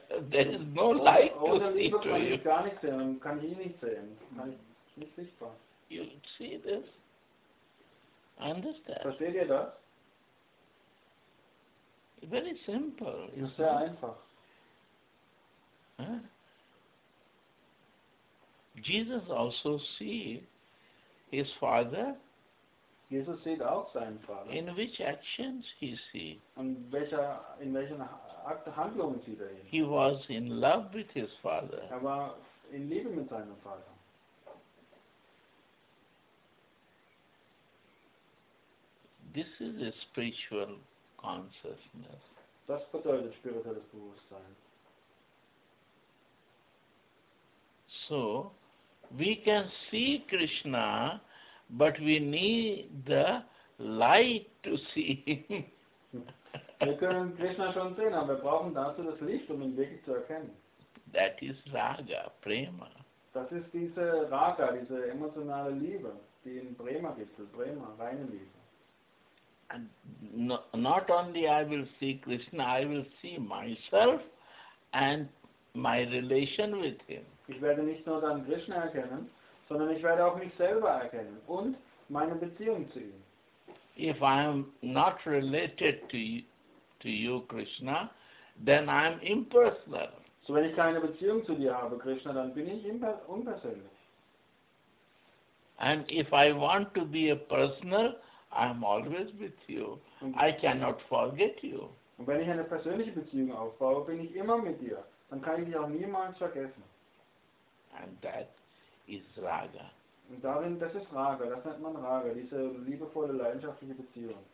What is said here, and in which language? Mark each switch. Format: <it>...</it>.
<en>There is no light to see to you.</en> <de>Ohne Liebe kann ich gar nicht sehen, kann ich ihn nicht sehen. Ist nicht sichtbar.</de> <en>You see this? Understand?</en> <de>Versteht ihr das?</de> <en>Very simple.</en> <de>Ist sehr einfach.</de> <en>Jesus also see his father.</en> <de>Jesus sieht auch seinen Vater.</de> <en>In which actions he see?</en> <de>In welchen Handlungen sieht er ihn?</de> <en>He was in love with his father.</en> <de>Er war in Liebe mit seinem Vater.</de> <en>This is a spiritual consciousness.</en> <de>Das bedeutet spirituelles Bewusstsein.</de> <en>So, we can see Krishna, but we need the light to see him.</en> <de>Wir können Krishna schon sehen, aber wir brauchen dazu das Licht, um ihn wirklich zu erkennen.</de> <en>That is Raga, Prema.</en> <de>Das ist diese Raga, diese emotionale Liebe, die in Prema gipfelt, Prema, reine Liebe.</de> <en>And not only I will see Krishna, I will see myself and my relation with him.</en> <de>Ich werde nicht nur dann Krishna erkennen, sondern ich werde auch mich selber erkennen und meine Beziehung zu ihm.</de> <en>If I am not related to you, Krishna, then I am impersonal.</en> <de>So wenn ich keine Beziehung zu dir habe, Krishna, dann bin ich unpersönlich.</de> <en>And if I want to be a personal, I am always with you. I cannot forget you.</en> <de>Und wenn ich eine persönliche Beziehung aufbaue, bin ich immer mit dir. Dann kann ich dich auch niemals vergessen.</de> <en>And that is Raga.</en> <de>Und darin, das ist Raga, das nennt man Raga, diese liebevolle, leidenschaftliche Beziehung.</de>